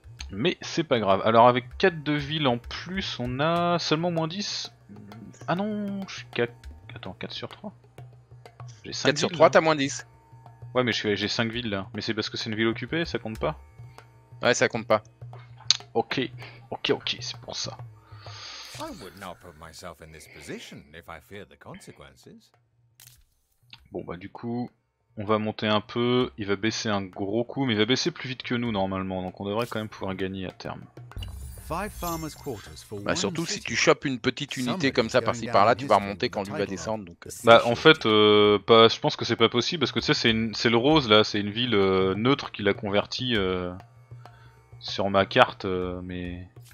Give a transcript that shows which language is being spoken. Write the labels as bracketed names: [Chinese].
[French] Mais c'est pas grave. Alors avec 4 de ville en plus, on a seulement moins 10. Ah non, je suis 4... Attends, 4 sur 3. J'ai 5 4 villes, sur 3, là. T'as moins 10. Ouais, mais j'ai 5 villes là. Mais c'est parce que c'est une ville occupée, ça compte pas? Ouais, ça compte pas. Ok, ok, ok, c'est pour ça. [English] I would not put myself in this position if I feared the consequences. [French] Bon bah du coup, on va monter un peu, il va baisser un gros coup, mais il va baisser plus vite que nous normalement, donc on devrait quand même pouvoir gagner à terme. Bah surtout si tu chopes une petite unité comme ça par-ci par-là, tu vas remonter quand lui va descendre. Donc... Bah en fait, bah, je pense que c'est pas possible, parce que tu sais, c'est le rose là, c'est une ville neutre qu'il a convertie sur ma carte, mais...